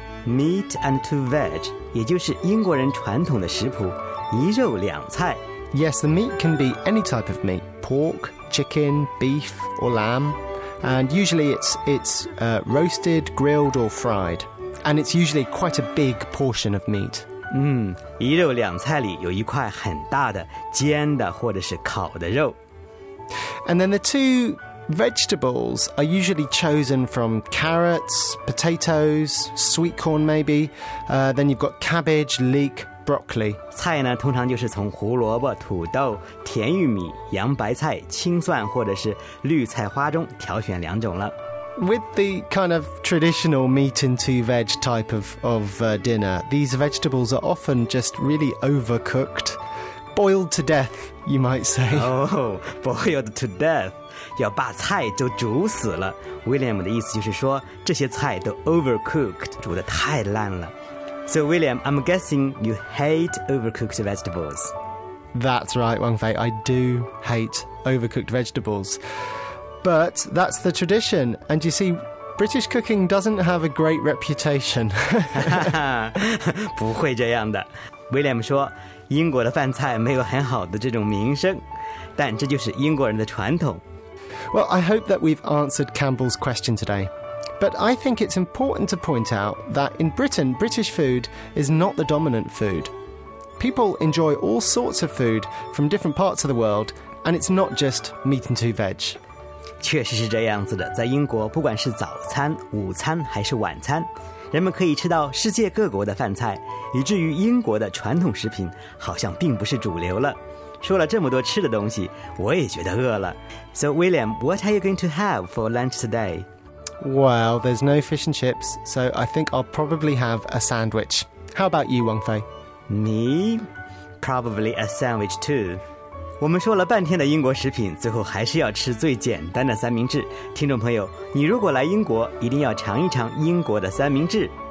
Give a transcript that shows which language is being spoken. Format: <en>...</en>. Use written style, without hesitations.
<en>Meat and two veg,</en> <zh>也就是英国人传统的食谱，一肉两菜。</zh> <en>Yes, the meat can be any type of meat, pork, chicken, beef or lamb. And usually it's roasted, grilled or fried. And it's usually quite a big portion of meat.</en> <zh>一肉两菜里有一块很大的煎的或者是烤的肉。</zh> <en>And then the two vegetables are usually chosen from carrots, potatoes, sweet corn maybe. Then you've got cabbage, leek, broccoli.</en> <zh>菜呢通常就是从胡萝卜、土豆、甜玉米、洋白菜、青蒜或者是绿菜花中挑选两种了。</zh> <en>With the kind of traditional meat and two veg type of dinner, these vegetables are often just really overcooked, boiled to death, you might say. Oh, boiled to death.</en> <zh>要把菜都煮死了。 William 的意思就是说这些菜都 overcooked, 煮得太烂了。</zh> <en>So William, I'm guessing you hate overcooked vegetables. That's right, Wang Fei. I do hate overcooked vegetables. But that's the tradition. And you see, British cooking doesn't have a great reputation.</en> <zh>不会这样的。William 说，英国的饭菜没有很好的这种名声，但这就是英国人的传统。</zh> <en>Well, I hope that we've answered Campbell's question today. But I think it's important to point out that in Britain, British food is not the dominant food. People enjoy all sorts of food from different parts of the world, and it's not just meat and two veg.</en> <zh>确实是这样子的，在英国，不管是早餐、午餐还是晚餐，人们可以吃到世界各国的饭菜，以至于英国的传统食品好像并不是主流了。说了这么多吃的东西，我也觉得饿了。</zh> <en>So William, what are you going to have for lunch today? Well, there's no fish and chips, so I think I'll probably have a sandwich. How about you, Wang Fei? Me? probably a sandwich too.</en> <zh>我们说了半天的英国食品，最后还是要吃最简单的三明治。听众朋友，你如果来英国，一定要尝一尝英国的三明治。</zh>